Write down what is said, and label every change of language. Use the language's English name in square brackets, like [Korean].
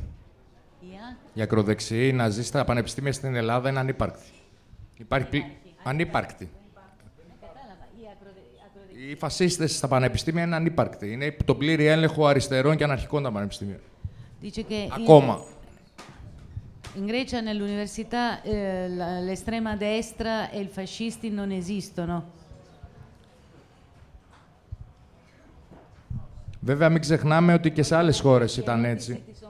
[Greek] Yeah. Η ακροδεξιά να ζει στα πανεπιστήμια στην Ελλάδα είναι ανύπαρκτη. Υπάρχει ανύπαρκτη. Οι φασίστες στα πανεπιστήμια είναι ανύπαρκτη. Είναι το πλήρη έλεγχο αριστερών και αναρχικών τα πανεπιστήμια. Ακόμα. [Italian] In Grecia nell'università l'estrema destra e i fascisti non esistono. [Greek] Βέβαια μην ξεχνάμε ότι και σε άλλες χώρες ήταν έτσι.